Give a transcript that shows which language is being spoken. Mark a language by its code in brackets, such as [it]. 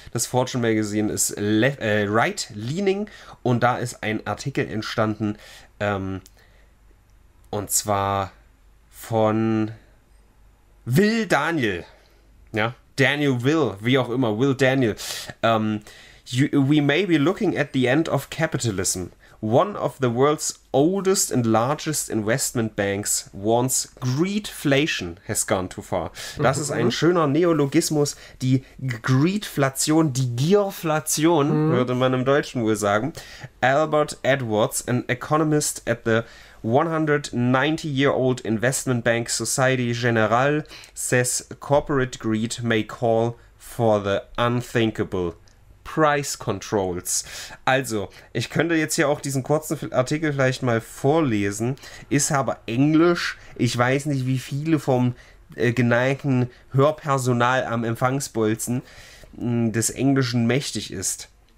[de] Das Fortune Magazine ist right-leaning und da ist ein Artikel entstanden, und zwar von Will Daniel. Ja, Daniel Will, wie auch immer, Will Daniel. [en] We may be looking at the end of capitalism. One of the world's oldest and largest investment banks warns Greedflation has gone too far. [de] Das ist ein schöner Neologismus, die Greedflation, die Gierflation, würde man im Deutschen wohl sagen. [en] Albert Edwards, an economist at the 190-year-old investment bank Société Générale, says corporate greed may call for the unthinkable. Price Controls. [de] Also, ich könnte jetzt hier auch diesen kurzen Artikel vielleicht mal vorlesen, ist aber Englisch. Ich weiß nicht, wie viele vom geneigten Hörpersonal am Empfangsbolzen des Englischen mächtig ist.